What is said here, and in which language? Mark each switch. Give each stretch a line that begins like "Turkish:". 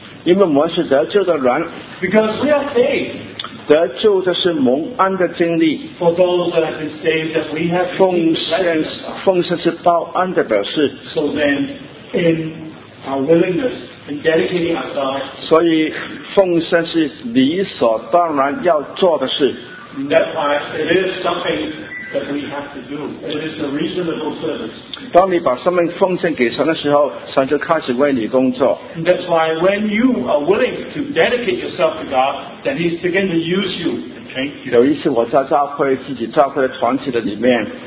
Chinese: 因为我们是得救的人,
English: because we are saved.
Chinese: 得救的是蒙恩的经历,
English: For those that have been saved, that we have been
Chinese: ,奉献是报恩的表示,
English: So then, in our willingness and dedicating ourselves,
Chinese: 所以奉献是理所当然要做的事,
English: And that's why it is something that we have to do. It is a reasonable service.
Chinese: 当你把生命奉献给神的时候, 神就开始为你工作。
English: And that's why when you are willing to dedicate yourself to God, then He's begin to use you and change you.
Chinese: 有一次我在教会自己教会的团体的里面,